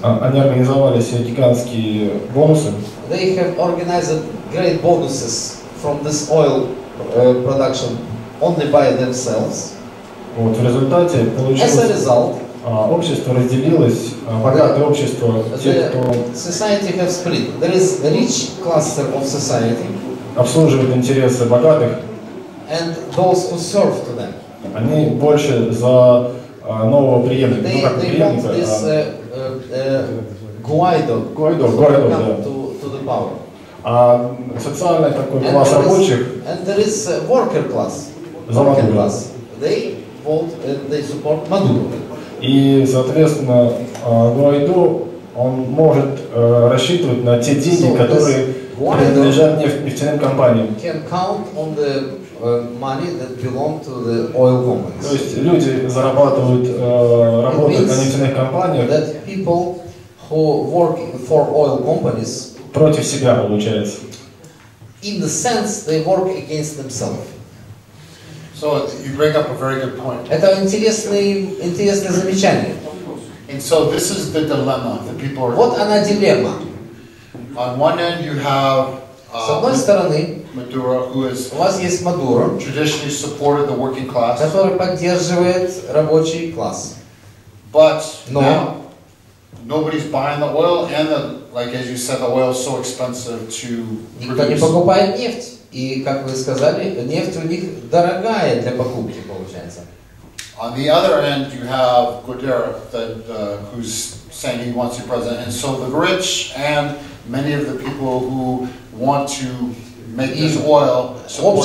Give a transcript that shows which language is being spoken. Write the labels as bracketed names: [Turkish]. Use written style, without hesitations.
[Russian] Они организовали себе гигантские бонусы. [English] They have organized great bonuses from this oil production only by themselves. [Russian] Вот, в результате получилось, общество разделилось, богатое общество, те, кто... [English] Society have split. There is a rich cluster of society. [Russian] Обслуживает интересы богатых. [English] And those who serve to them. [Russian] Они больше за нового преемника. [English] They, [Russian] ну, как [English] they [Russian] преемника, [English] want this Guaido Guaido, to, [Russian] да. [English] to the power. [Russian] А социальный такой and класс рабочих... [English] Is, and there is a worker class. Worker class. They support Maduro. [Russian] И, соответственно, Гуайдо, он может рассчитывать на те деньги, которые принадлежат нефтяным компаниям. [English] Can count on the money that belong to the oil companies. [Russian] То есть люди зарабатывают, работают на нефтяных компаниях. [English] That people who work for oil companies [Russian] против себя получается. [English] In the sense they work against themselves. So you bring up a very good point. [Russian] Это интересное замечание. [English] And so this is the dilemma that people are. [Russian] Вот она дилемма. [English] On one end you have. [Russian] С одной стороны. [English] Maduro, who is. [Russian] У вас есть Maduro. [English] Traditionally supported the working class. [Russian] Который поддерживает рабочий класс. [English] But now nobody's buying the oil, and the, like as you said, the oil is so expensive to. [Russian] Никто не покупает нефть. И, как вы сказали, нефть у них дорогая для покупки, получается. [English] On the other end, you have Guterres, who's saying he wants to be president. And so the rich and many of the people who want to make this oil support.